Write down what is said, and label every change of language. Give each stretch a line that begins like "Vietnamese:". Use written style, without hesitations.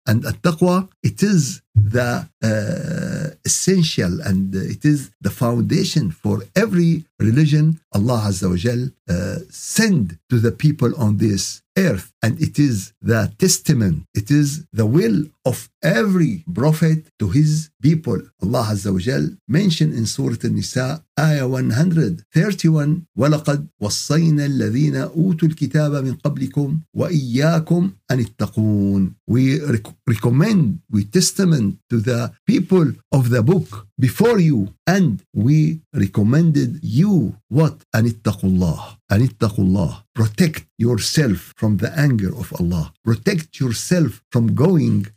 English: And at-taqwa, it is the essential and it is the foundation for every religion Allah Azza wa Jal send to the people on this earth. And it is the testament. It is the will of every prophet to his people. Allah Azza wa Jal mentioned in Surah An-Nisa, Ayah 131,
Arabic: وَلَقَدْ وَصَّيْنَا الَّذِينَ أُوتُوا الْكِتَابَ مِنْ قَبْلِكُمْ وَإِيَّاكُمْ أَنِ اتَّقُونَ.
English: We recommend, we testament to the people of the book before you, and we recommended you what?
Arabic: أَنِ اتَّقُوا اللَّهِ. أَنِ اتَّقُوا اللَّهِ.
English: Protect yourself from the anger of Allah. Protect yourself from going